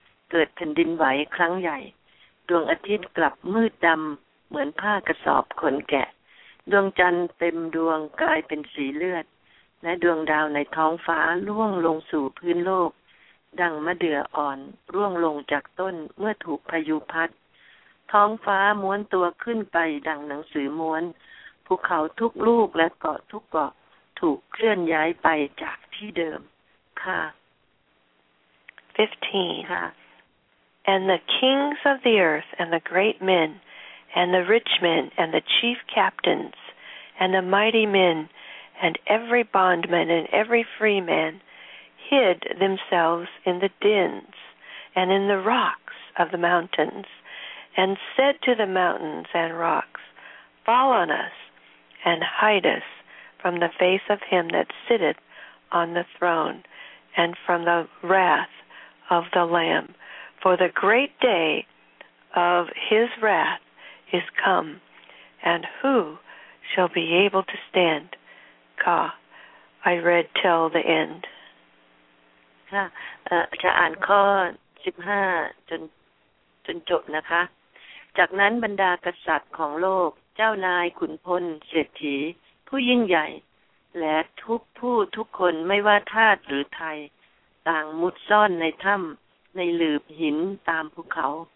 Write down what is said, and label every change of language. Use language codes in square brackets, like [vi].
[th] เกิดแผ่นดินไหวครั้งใหญ่ดวงอาทิตย์กลับมืดดำเหมือนผ้ากระสอบขนแกะดวงจันทร์เต็มดวงกลายเป็นสีเลือดและดวงดาวในท้องฟ้าร่วงลงสู่พื้นโลกดังมะเดื่ออ่อนร่วงลงจากต้นเมื่อถูกพายุพัดท้องฟ้าม้วนตัวขึ้นไปดังหนังสือม้วนภูเขาทุกลูกและเกาะทุกเกาะถูกเคลื่อนย้ายไปจากที่เดิมค่ะ 15 ค่ะ [en] And the kings of the earth and the great men and the rich men and the chief captains and the mighty men and every bondman and every free man hid themselves in the dens and in the rocks of the mountains and said to the mountains and rocks, Fall on us, and hide us from the face of him that sitteth on the throne, and from the wrath of the Lamb. For the great day of his wrath is come, and who shall be able to stand? Ka, I read till the end. [th] จะอ่านข้อ15จนจบนะคะจากนั้นบรรดากษัตริย์ของโลกเจ้านายขุนพลเศรษฐีผู้ยิ่งใหญ่และทุกผู้ทุกคนไม่ว่าทาสหรือไทยต่างมุดซ่อนในถ้ำในหลืบหินตามภูเขา